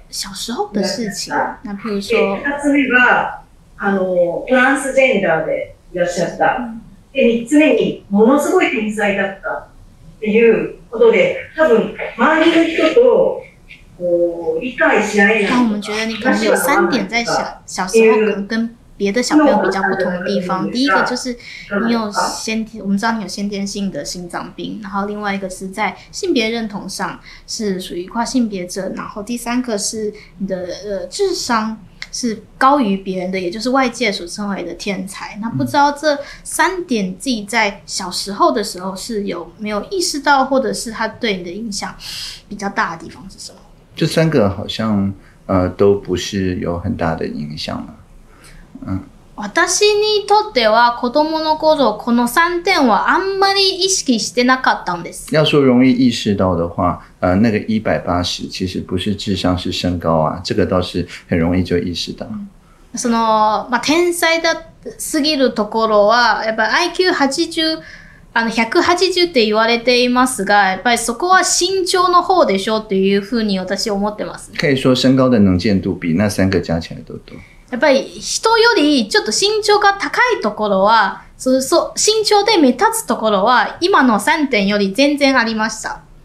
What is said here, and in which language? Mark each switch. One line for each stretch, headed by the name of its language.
Chinese: 小時候的事情、比如说。
Japanese: 2つ目は、トランスジェンダーでいらっしゃった。で、3つ目に、ものすごい天才だった。っていうことで、多分周りの人とこう理解し合えない。
Chinese: 那我们觉得你可能有三点在小时候跟别的小朋友比较不同的地方。第一个就是你有先天，我们知道你有先天性的心脏病。然后另外一个是在性别认同上是属于跨性别者。然后第三个是你的智商是高于别人的，也就是外界所称为的天才。那不知道这三点自己在小时候的时候是有没有意识到，或者是他对你的影响比较大的地方是什么？这三个好像都不是有很大的影响了。
Japanese: 私にとっては子供の頃この3点はあんまり意識してなかったんです。
Chinese: 要说容易意识到的话，那个180其实不是智商，是身高啊，这个倒是很容易就意识到。
Japanese: その、まあ、天才だすぎるところはやっぱ IQ80、180って言われていますが、やっぱりそこは身長の方でしょうっていうふうに私思ってます。
Chinese: 可以说身高的能见度比那三个加起来都多。
Japanese: やっぱり人よりちょっと身長が高いところは、身長で目立つところは今の3点より全然ありました。